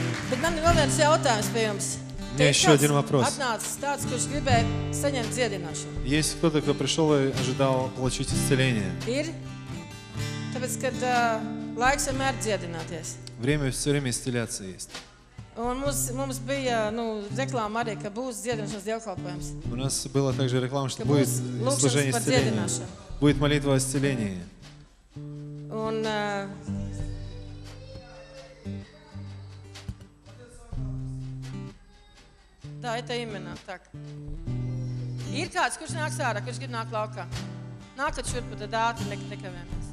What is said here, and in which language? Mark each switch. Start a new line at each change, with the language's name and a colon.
Latvian: Bet man vēl viens jautājums pie jums.
Russian: Мне еще один вопрос.
Latvian: Atnācis tāds, kurš gribēja saņemt dziedināšanu.
Russian: Есть кто-то, кто пришел и ожидал получить исцеление.
Latvian: Ir? Tāpēc, kad laiks vienmēr dziedināties.
Russian: Время все время исцеляться есть.
Latvian: Un mums bija, nu, reklāma arī, ka būs dziedināšanas dievkalpojums.
Russian: У нас была также реклама, что будет служение исцеления. Будет молитва исцеления. Un Да, это именно так.
Latvian: Ir kāds, kurš nāks ārā, kurš grib nāk laukā. Nākat šurp, tad ātri nekavējam.